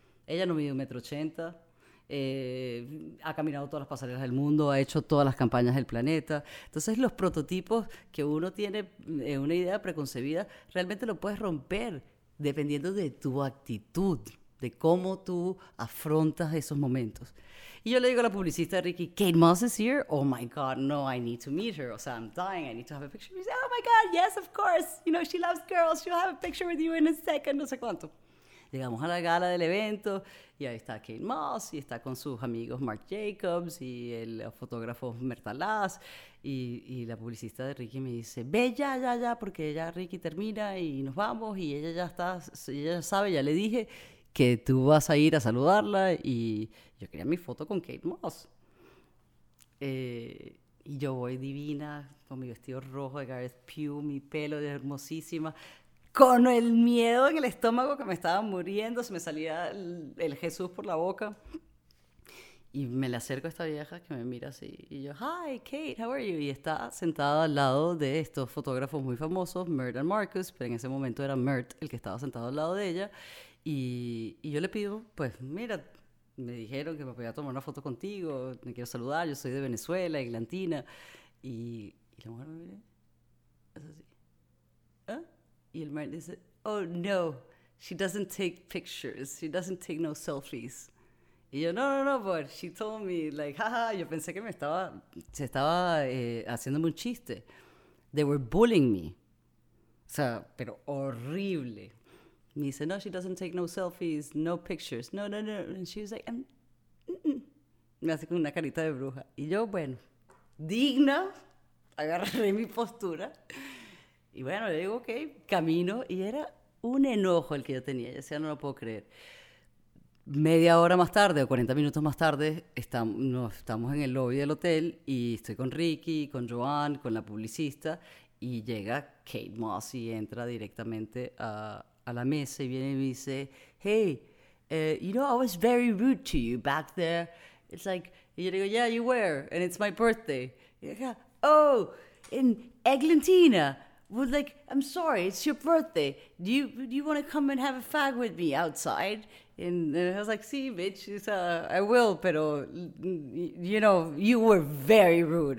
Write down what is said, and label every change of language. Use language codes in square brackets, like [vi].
[es] Ella no mide 1,80 m, ha caminado todas las pasarelas del mundo, ha hecho todas las campañas del planeta. Entonces los prototipos que uno tiene, una idea preconcebida, realmente lo puedes romper dependiendo de tu actitud, de cómo tú afrontas esos momentos. Y yo le digo a la publicista de Ricky, [en] Kate Moss is here, oh my god, no, I need to meet her, [es] o sea, [en] I'm dying, I need to have a picture. [es] Y dice, [en] oh my god, yes, of course, you know, she loves girls, she'll have a picture with you in a second, [es] no sé cuánto. Llegamos a la gala del evento y ahí está Kate Moss y está con sus amigos Marc Jacobs y el fotógrafo Mertalaz, y la publicista de Ricky me dice, ve ya, porque ya Ricky termina y nos vamos, y ella ya está, ella ya sabe, ya le dije que tú vas a ir a saludarla, y yo quería mi foto con Kate Moss. Y yo voy divina con mi vestido rojo de Gareth Pugh, mi pelo de hermosísima, con el miedo en el estómago que me estaba muriendo, se me salía el Jesús por la boca. Y me le acerco a esta vieja que me mira así y yo, [en] hi Kate, how are you? [es] Y está sentada al lado de estos fotógrafos muy famosos, Mert y Marcus, pero en ese momento era Mert el que estaba sentado al lado de ella. Y yo le pido, pues mira, me dijeron que me podía tomar una foto contigo, me quiero saludar, yo soy de Venezuela, Eglantina. Y la mujer me mira, es así. ¿Ah? Y el Mert dice, [en] oh no, she doesn't take pictures, she doesn't take no selfies. [es] Y yo, no, no, no, [en] but she told me, like, [es] jaja, yo pensé que se estaba haciéndome un chiste. [en] They were bullying me. [es] O sea, pero horrible. Me dice, no, [en] she doesn't take no selfies, no pictures. [es] No, no, no. [en] And she was like, [es] Me hace con una carita de bruja. Y yo, bueno, digna, agarré mi postura. Y bueno, le digo, ok, camino. Y era un enojo el que yo tenía. Yo decía, no lo puedo creer. Media hora más tarde o 40 minutos más tarde, estamos en el lobby del hotel y estoy con Ricky, con Joan, con la publicista y llega Kate Moss y entra directamente a la mesa y viene y me dice, [en] hey, you know, I was very rude to you back there. It's like, [es] y yo digo, [en] yeah, you were, and it's my birthday. [es] Y acá, [en] oh, in Eglantina. Was like, I'm sorry, it's your birthday. Do you want to come and have a fag with me outside? And I was like, sí, bitch, I will, pero, you know, you were very rude.